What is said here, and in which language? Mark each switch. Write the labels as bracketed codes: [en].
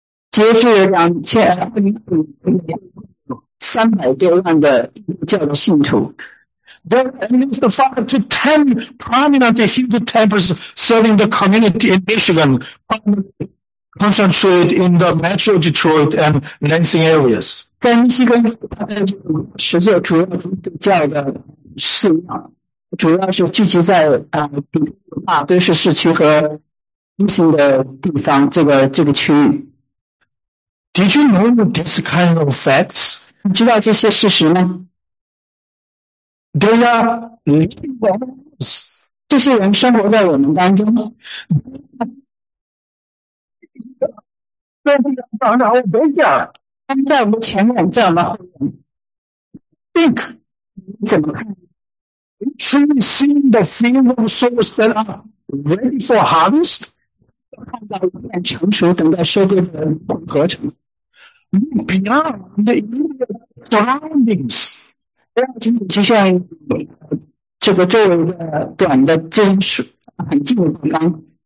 [zh] 截至2025年，300多万的印度教的信徒。 [en] There are at least 5 to 10 prominent Hindu temples serving the community in Michigan, concentrated in the Metro Detroit and Lansing areas. [zh] 在密西根大概就十座主要基督教的寺庙，主要是聚集在大都市市区和中心的地方，这个区域。 [en] Did you know this kind of facts? [zh] 你知道这些事实吗？ [en] They are living among us. [zh] 这些人生活在我们当中。在我们前面，在我们后面。 [en] Think, [zh] 你怎么看？ [en] You truly see the field of souls that are ready for harvest? [zh] 看到一片成熟等待收割的合成。 [en] Look beyond the immediate surroundings. [zh] 不要仅仅局限这个周围的短的这种树很近的地方。